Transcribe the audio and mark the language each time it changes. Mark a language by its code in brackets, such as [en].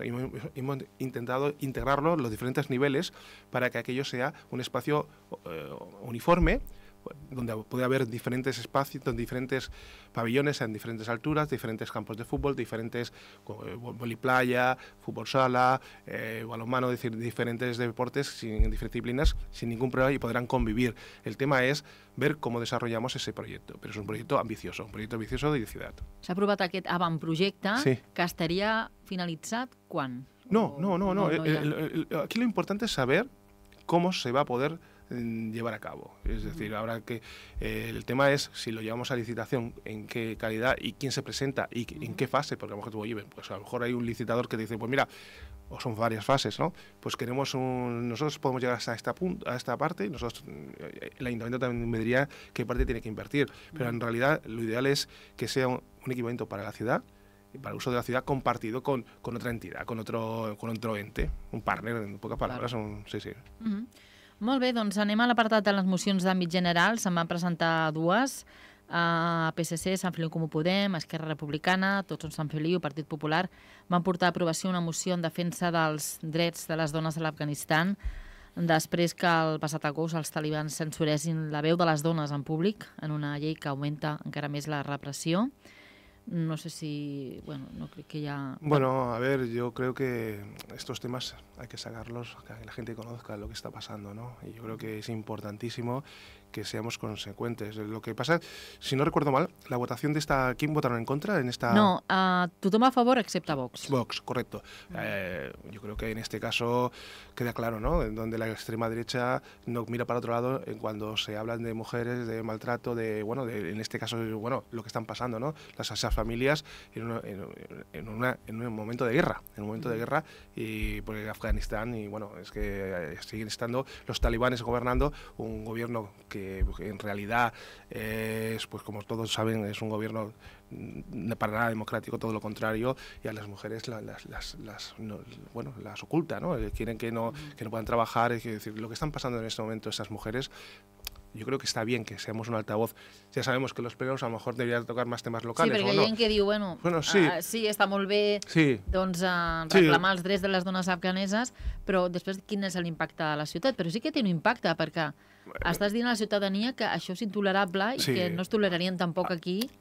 [es] Hemos intentado integrarlo en los diferentes niveles para que aquello sea un espacio uniforme, donde puede haber diferentes espacios, diferentes pabellones en diferentes alturas, diferentes campos de fútbol, diferentes voliplaya, fútbol sala, balonmano, es decir, diferentes deportes sin disciplinas, sin ningún problema, y podrán convivir. El tema es ver cómo desarrollamos ese proyecto, pero es un proyecto ambicioso de ciudad. [ca] S'ha aprovat aquest avantprojecte, sí, que estaria finalitzat quan? No. [es] Aquí lo importante es saber cómo se va a poder llevar a cabo. Es decir, ahora que el tema es si lo llevamos a licitación, en qué calidad y quién se presenta y en qué fase, porque a lo mejor hay un licitador que te dice, pues mira, o son varias fases, ¿no? Pues queremos nosotros podemos llegar hasta esta parte, nosotros, el ayuntamiento también me diría qué parte tiene que invertir, pero en realidad lo ideal es que sea un equipamiento para la ciudad, para el uso de la ciudad, compartido con otra entidad, con otro ente, un partner, en pocas palabras, sí. [ca] Molt bé, doncs anem a l'apartat de les mocions d'àmbit general. Se'n van presentar dues, PSC, Sant Feliu Comú Podem, Esquerra Republicana, Tots som Sant Feliu, Partit Popular, van portar a aprovació una moció en defensa dels drets de les dones a l'Afganistan després que el passat agost els talibans censuressin la veu de les dones en públic en una llei que augmenta encara més la repressió. No sé si... Bueno, no crec que ja... [es] Bueno, a ver, yo creo que estos temas hay que sacarlos, que la gente conozca lo que está pasando, ¿no? Y yo creo que es importantísimo que seamos consecuentes. Lo que pasa, si no recuerdo mal, la votación de esta... ¿Quién votaron en contra en esta...? [ca] No, tothom a favor excepte Vox. [es] Vox, correcto. Yo creo que en este caso queda claro, ¿no?, en donde la extrema derecha no mira para otro lado cuando se hablan de mujeres, de maltrato, en este caso, lo que están pasando, ¿no?, esas familias en un momento de guerra, en un momento de guerra, y porque Afganistán, y bueno, es que siguen estando los talibanes gobernando, un gobierno que en realidad es, pues como todos saben, es un gobierno para nada democrático, todo lo contrario, y a las mujeres las oculta, ¿no? Quieren que no puedan trabajar, es decir, lo que están pasando en este momento esas mujeres. Yo creo que está bien que seamos un altavoz. Ya sabemos que los plenos a lo mejor deberían tocar más temas locales. [ca] Sí, perquè hi ha gent que diu, sí, està molt bé, sí, doncs, reclamar els drets de les dones afganeses, però després quin és l'impacte a la ciutat? Però sí que té un impacte, perquè Estàs dient a la ciutadania que això és intolerable i sí, que no es tolerarien tampoc aquí.